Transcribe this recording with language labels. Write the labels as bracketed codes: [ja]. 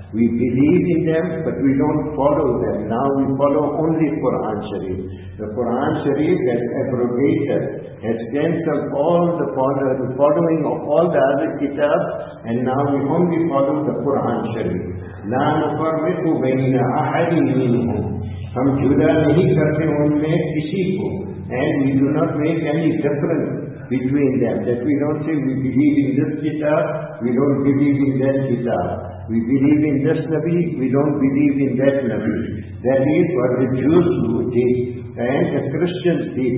[en] We believe in them, but we don't follow them. Now we follow only Quran Sharif. The Quran Sharif has abrogated, has canceled all the following of all the other kitabs, and now we only follow the Quran Sharif. [ar] لا نفرق بين أحد منهم. [ur] ہم جدا نہیں کرتے ان میں کسی کو. [en] And we do not make any difference between them. That we don't say we believe in this kitab, we don't believe in that kitab. We believe in this Nabi, we don't believe in that Nabi. That is what the Jews did and the Christians did.